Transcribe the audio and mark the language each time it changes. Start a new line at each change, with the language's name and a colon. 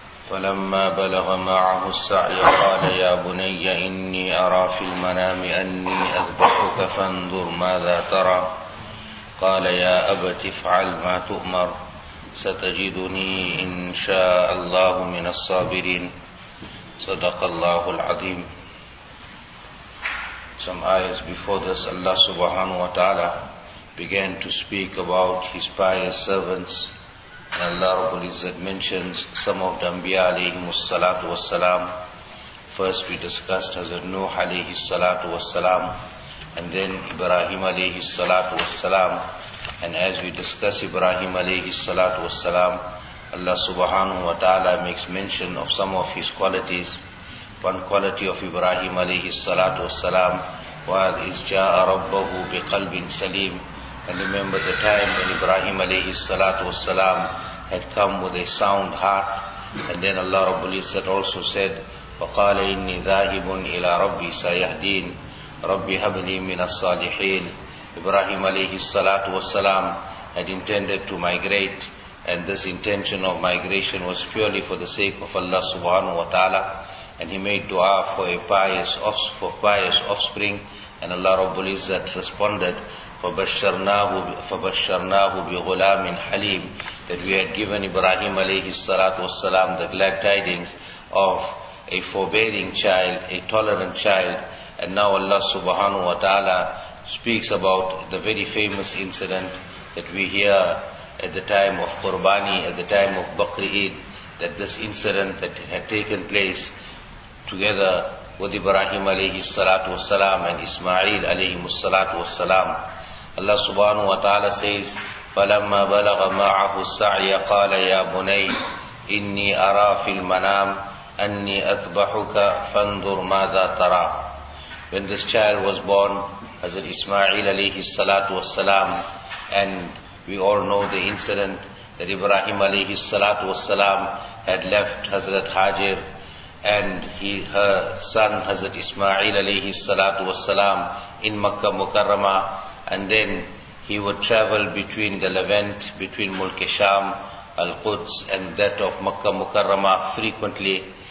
Arabic: فلما بلغ معه السعي قال يا بني إني أرى في المنام أني أذبحك فانظر ماذا ترى. قال يا أبت افعل ما تؤمر ستجدني إن شاء الله من الصابرين. صدق الله العظيم.
English: Some ayahs before this, Allah subhanahu wa ta'ala began to speak about his pious servants, and Allah Rabbul Izzat mentions some of the Anbiya alayhimu salatu wassalam. First we discussed Hazrat Nuh alayhi salatu wassalam, and then Ibrahim alayhi salatu wassalam. And as we discuss Ibrahim alayhi salatu wassalam, Allah subhanahu wa ta'ala makes mention of some of his qualities. One quality of Ibrahim alayhi salatu wassalam was is
Arabic: ja'a rabbahu biqalbin salim.
English: And remember the time when Ibrahim alayhi salatu wassalam had come with a sound heart. And then Allah Rabbul Izzat also said,
Arabic: فَقَالَ إِنِّي ذَاهِبٌ إِلَىٰ رَبِّي سَيَهْدِينَ رَبِّي هَبْلِي مِنَ الصَّالِحِينَ.
English: Ibrahim alayhi salatu wassalam had intended to migrate, and this intention of migration was purely for the sake of Allah subhanahu wa ta'ala. And he made dua for pious offspring, and Allah Rabbul Izzat responded,
Arabic: فَبَشَّرْنَاهُ بِغُلَامٍ حَلِيمٍ,
English: that we had given Ibrahim alayhi salatu wassalam the glad tidings of a forbearing child, a tolerant child. And now Allah subhanahu wa ta'ala speaks about the very famous incident that we hear at the time of Qurbani, at the time of Bakri Eid, that this incident that had taken place together with Ibrahim alayhi salatu wassalam and Ismail alayhi salatu wassalam. Allah subhanahu wa ta'ala says,
Arabic: فَلَمَّا بَلَغَ مَعَهُ السَّعْيَ قَالَ يَا بُنَيْ إِنِّي أَرَى فِي الْمَنَامِ أَنِّي أَذْبَحُكَ فَانْظُرْ مَاذَا تَرَى.
English: When this child was born, Hazrat Ismail alayhi salatu wassalam, and we all know the incident that Ibrahim alayhi salatu wassalam had left Hazrat Hajir, and her son Hazrat Ismail alayhi salatu wassalam in Makkah Mukarrama, and then he would travel between the Levant, between Mulk Sham, Al-Quds, and that of Makkah Mukarrama frequently.